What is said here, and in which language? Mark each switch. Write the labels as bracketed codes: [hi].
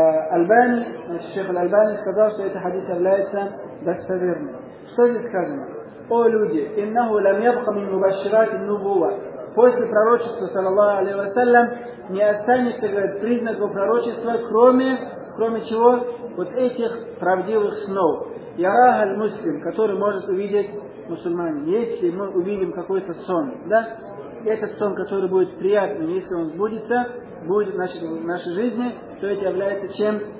[ru] Албани, шейх Аль-Албани, сказал, что этот хадис является достоверным. Что здесь сказано? [ar] أو لودي إنه لم يبق من مبشرات النبوة. [ru] После пророчества, саллаллаху алейхи ва саллям, не останется признаков пророчества, кроме чего? Вот этих правдивых снов. [ar] «Яраха аль-муслим», [ru] который может увидеть мусульманин. Если мы увидим какой-то сон, да? Этот сон, который будет приятным, если он сбудется, будет, значит, в нашей жизни, то это является чем?